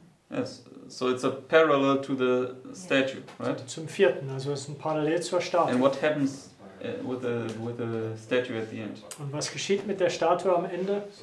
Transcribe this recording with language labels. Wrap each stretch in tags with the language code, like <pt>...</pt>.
<en>Yes, so it's a parallel to the statue, right?</en> <de>Zum vierten, also es ist ein Parallel zur Statue.</de> <en>And what happens with the statue at the end?</en> <de>Und was geschieht mit der Statue am Ende?</de>